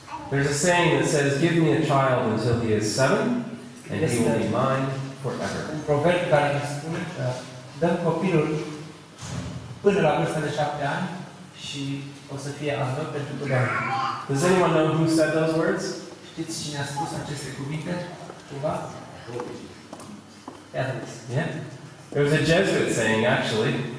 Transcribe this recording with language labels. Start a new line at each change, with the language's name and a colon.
English: There's a saying that says, give me a child until he is 7 and he will be mine forever.
Romanian: Un proverb care ne spune că dăm copilul până la vârsta de 7 ani și o să fie al meu pentru totdeauna.
English: Does anyone know who said those words?
Romanian: Știți cine a spus aceste cuvinte? Cumva?
English: Yeah. There was a Jesuit saying, actually.